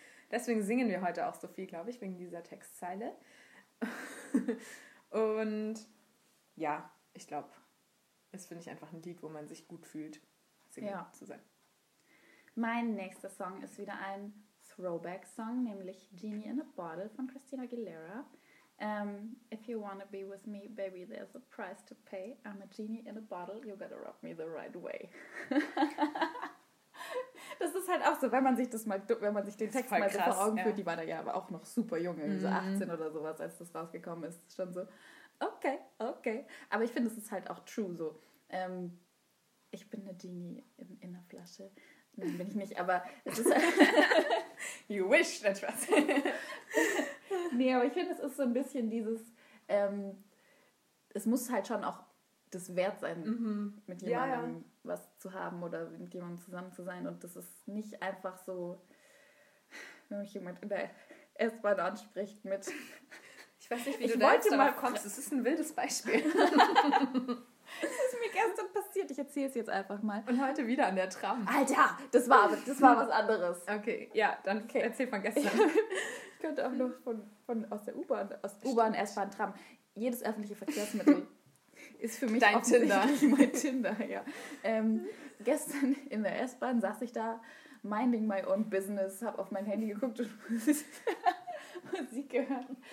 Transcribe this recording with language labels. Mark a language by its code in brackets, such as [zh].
[de] Deswegen singen wir heute auch so viel, glaube ich, wegen dieser Textzeile. Und ja, ich glaube... Das finde ich einfach ein Lied, wo man sich gut fühlt, Single zu sein. Mein nächster Song ist wieder ein Throwback-Song, nämlich Genie in a Bottle von Christina Aguilera. [en] If you wanna be with me, baby, there's a price to pay. I'm a genie in a bottle, you gotta rub me the right way. [de] Das ist halt auch so, wenn man sich das mal, wenn man sich den Text mal so vor Augen führt, die war da ja aber auch noch super jung, irgendwie so 18 oder sowas, als das rausgekommen ist. Schon so, okay, okay. Aber ich finde, es ist halt auch true so. Ich bin eine Genie in der Flasche. Nein, bin ich nicht, aber es ist [en] You wish, that's right. [de] Nee, aber ich finde, es ist so ein bisschen dieses, es muss halt schon auch das wert sein, mit jemandem was zu haben oder mit jemandem zusammen zu sein. Und das ist nicht einfach so, wenn mich jemand in der S-Bahn anspricht mit... Ich weiß nicht, wie ich du wollte da mal kommst, das ist ein wildes Beispiel. Das ist mir gestern passiert, ich erzähle es jetzt einfach mal. Und heute wieder an der Tram. Alter, das war was anderes. Okay, ja, dann erzähl von gestern. Ich könnte auch noch aus der U-Bahn, aus U-Bahn, S-Bahn, Tram. Jedes öffentliche Verkehrsmittel ist für mich dein Tinder. Mein Tinder, ja. Gestern in der S-Bahn saß ich da, [en] minding my own business, [de] habe auf mein Handy geguckt und Musik gehört.